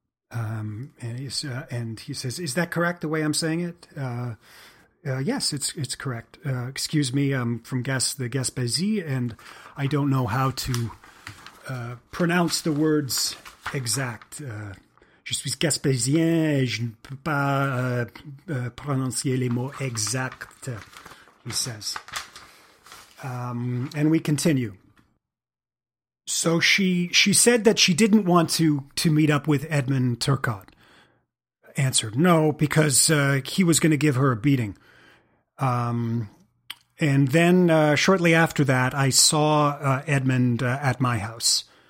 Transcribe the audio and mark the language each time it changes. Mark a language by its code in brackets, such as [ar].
[en] And he says, is that correct the way I'm saying it? Yes, it's correct. Excuse me, I'm from the Gaspésie, and I don't know how to pronounce the words exact. [fr] Je suis Gaspésien et je ne peux pas prononcer les mots exacts, [en] he says. And we continue. So she said that she didn't want to meet up with Edmund Turcotte. Answered, no, because he was going to give her a beating. And then shortly after that, I saw Edmund at my house.